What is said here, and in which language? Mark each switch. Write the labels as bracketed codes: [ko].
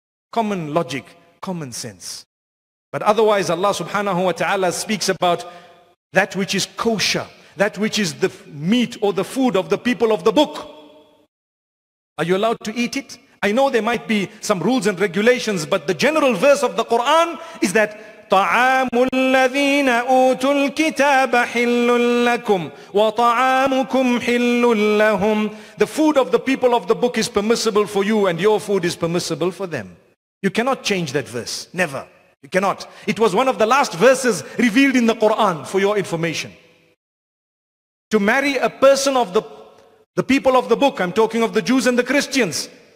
[en] Common logic, common sense. But otherwise Allah subhanahu wa ta'ala speaks about that which is kosher, that which is the meat or the food of the people of the book. Are you allowed to eat it? I know there might be some rules and regulations, but the general verse of the Quran is that [ar] طعام الذين أوتوا الكتاب حل لكم وطعامكم حل لهم. [en] The food of the people of the book is permissible for you and your food is permissible for them. You cannot change that verse. Never. You cannot. It was one of the last verses revealed in the Quran for your information. To marry a person of the people of the book, I'm talking of the Jews and the Christians.